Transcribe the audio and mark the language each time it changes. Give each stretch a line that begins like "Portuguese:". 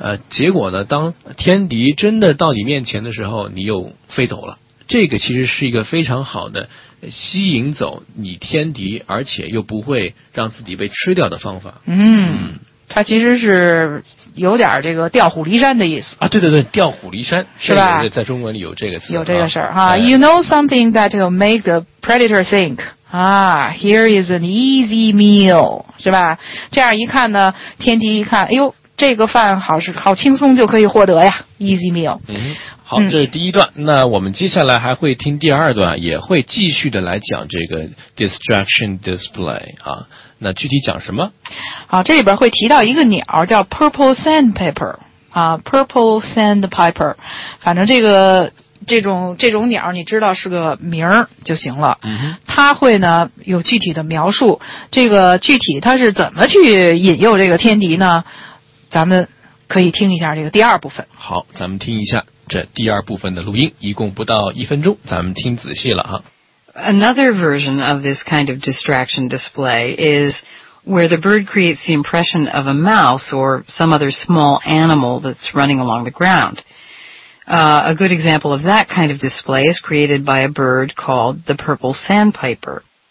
Chinese: 结果呢，当天敌真的到你面前的时候，你又飞走了。这个其实是一个非常好的吸引走你天敌，而且又不会让自己被吃掉的方法。它其实是有点这个调虎离山的意思啊，对对对，调虎离山是吧？在中文里有这个词，有这个事儿哈、啊。
English: You know something that will make the predator think, here is an easy meal,
Chinese: 是吧？这样一看呢，天敌一看，哎呦，这个饭好轻松就可以获得呀 ，
English: easy meal。
Chinese: 嗯，好，这是第一段、嗯。那我们接下来还会听第二段，也会继续的来讲这个 distraction display 啊。那具体讲什么？好，这里边会提到一个鸟叫 purple sandpiper 啊 ，purple sandpiper。反正这种鸟，你知道是个名儿就行了。嗯哼，它会呢有具体的描述。这个具体它是怎么去引诱这个天敌呢？咱们可以听一下这个第二部分。好，咱们听一下这第二部分的录音，一共不到一分钟，咱们听仔细了哈。
English: Another version of this kind of distraction display is where the bird creates the impression of a mouse or some other small animal that's running along the ground. A good example of that kind of display is created by a bird called the purple sandpiper.